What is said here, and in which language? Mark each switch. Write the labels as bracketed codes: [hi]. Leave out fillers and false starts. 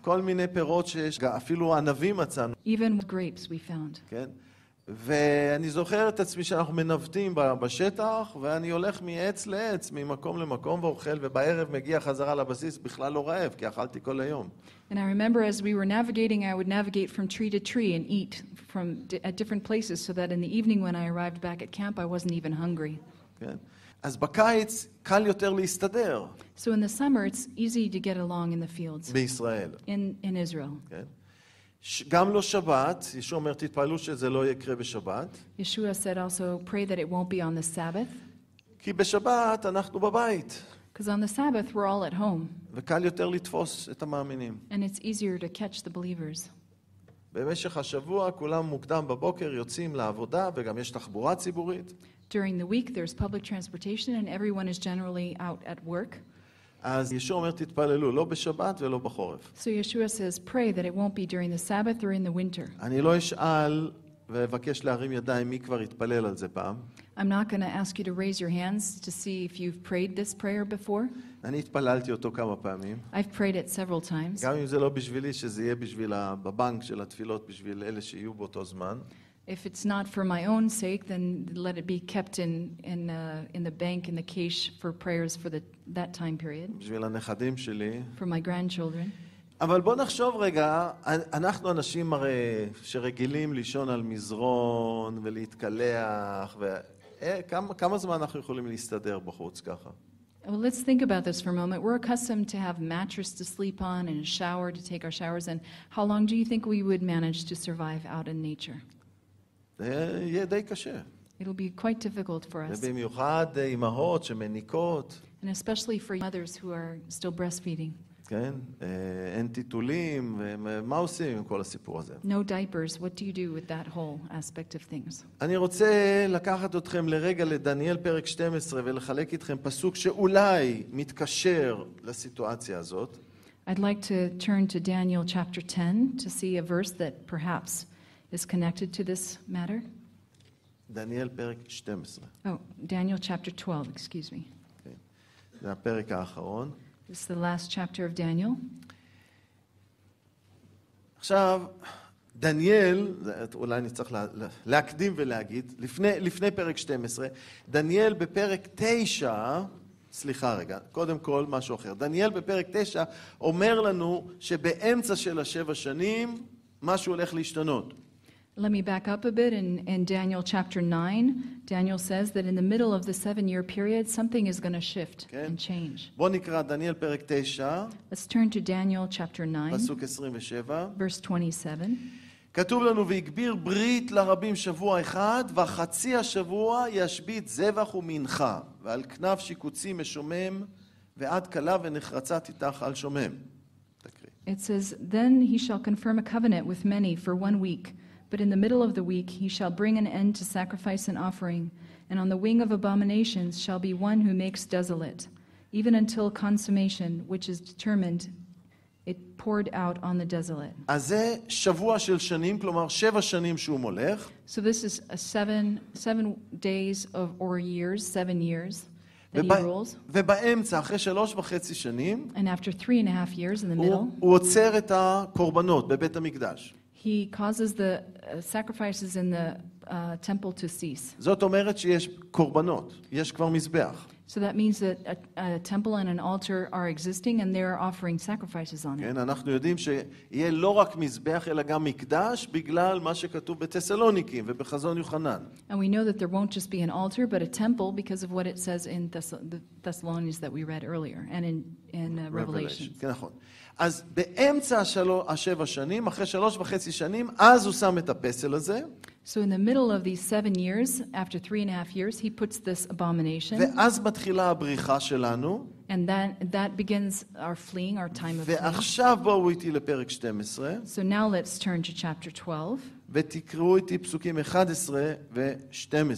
[he] כל מיני פירות שיש, אפילו ענבים מצאנו. [en] Even grapes we found. [he] כן. ואני זוכר את עצמי שאנחנו מנווטים בשטח, ואני הולך מעץ לעץ, ממקום למקום ואוכל, ובערב מגיע חזרה לבסיס, בכלל לא רעב, כי אכלתי כל היום. [en] And I remember as we were navigating, I would navigate from tree to tree and eat from at different places so that in the evening when I arrived back at camp, I wasn't even hungry. [he] כן. אז בקיץ קל יותר להסתדר. [en] So in the summer it's easy to get along in the fields. [he] בישראל. [en] In Israel. [he] כן. גם לא שבת, ישוע אומר תתפעלו שזה לא יקרה בשבת. [en] Yeshua said also pray that it won't be on the Sabbath. [he] כי בשבת אנחנו בבית. [en] Because on the Sabbath we're all at home. [he] וקל יותר לתפוס את המאמינים. [en] And it's easier to catch the believers. [he] במשך השבוע כולם מוקדם בבוקר יוצאים לעבודה וגם יש תחבורה ציבורית. [en] During the week there's public transportation and everyone is generally out at work. [he] אז ישוע אומר תתפללו לא בשבת ולא בחורף. [en] So Yeshua says pray that it won't be during the Sabbath or in the winter. [he] אני לא אשאל ואבקש להרים ידיים מי כבר התפלל על זה פעם. [en] I'm not going to ask you to raise your hands to see if you've prayed this prayer before. [he] אני התפללתי אותו כמה פעמים. [en] I've prayed it several times. [he] גם אם זה לא בשבילי שזה יהיה בשביל בבנק של התפילות בשביל אלה שיהיו באותו זמן. [en] If it's not for my own sake, then let it be kept in the bank, in the cache for prayers for that time period. [he] בשביל הנכדים שלי. [en] For my grandchildren. [he] אבל בוא נחשוב רגע, אנחנו אנשים הרי שרגילים לישון על מזרון ולהתקלח, וכמה זמן אנחנו יכולים להסתדר בחוץ ככה? [en] Well, let's think about this for a moment. We're accustomed to have mattress to sleep on and a shower to take our showers, and how long do you think we would manage to survive out in nature? [he] יהיה די קשה. [en] It'll be quite difficult for us. [he] במיוחד אמהות שמניקות. [en] And especially for mothers who are still breastfeeding. [he] כן, אין טיטולים, מה עושים עם כל הסיפור הזה? [en] No diapers, what do you do with that whole aspect of things? [he] אני רוצה לקחת אתכם לרגע לדניאל פרק 12 ולחלק איתכם פסוק שאולי מתקשר לסיטואציה הזאת. [en] I'd like to turn to Daniel chapter 10 to see a verse that perhaps is connected to this matter. [he] דניאל פרק 12. [en] Oh, Daniel chapter 12, excuse me. [he] זה הפרק האחרון. [en] It's the last chapter of Daniel. [he] עכשיו דניאל, אולי אני צריך להקדים ולהגיד, לפני פרק 12, דניאל בפרק 9, סליחה רגע, קודם כל משהו אחר. דניאל בפרק 9 אומר לנו שבאמצע של השבע שנים משהו הולך להשתנות. [en] Let me back up a bit in Daniel chapter 9. Daniel says that in the middle of the 7-year period something is going to shift okay. and change. [he] בוא נקרא דניאל פרק 9. [en] Let's turn to Daniel chapter 9. [he] פסוק 27. [en] Verse 27. [he] כתוב לנו והגביר ברית לרבים שבוע אחד וחצי השבוע ישבית זבח ומנחה ועל כנף שיקוצי משומם ועד קלה ונחרצה תיתך על שומם. תקריא. [en] It says then he shall confirm a covenant with many for 1 week. But in the middle of the week he shall bring an end to sacrifice and offering, and on the wing of abominations shall be one who makes desolate, even until consummation, which is determined, it poured out on the desolate. [he] אז זה שבוע של שנים, כלומר שבע שנים שהוא מולך. [en] So this is a seven days of or years, 7 years. [he] ובאמצע, אחרי 3.5 שנים, [en] and after 3.5 years in the middle, [he] הוא עוצר את הקורבנות בבית המקדש. [en] He causes the sacrifices in the temple to cease. [he] זאת אומרת שיש קורבנות, יש כבר מזבח. [en] So that means that a temple and an altar are existing and they're offering sacrifices on it. [he] כן, אנחנו יודעים שיהיה לא רק מזבח אלא גם מקדש בגלל מה שכתוב בתסלוניקים ובחזון יוחנן. [en] And we know that there won't just be an altar but a temple because of what it says in the Thessalonians that we read earlier and in Revelation. [he] כן, נכון. אז באמצע השבע שנים, אחרי 3.5 שנים, אז הוא שם את הפסל הזה. [en] So in the middle of these 7 years, after 3.5 years, he puts this abomination. [he] ואז מתחילה הבריחה שלנו. [en] And that begins our fleeing, our time of fleeing. [he] ועכשיו בואו איתי לפרק 12. [en] So now let's turn to chapter 12. [he] ותקראו איתי פסוקים 11 ו-12.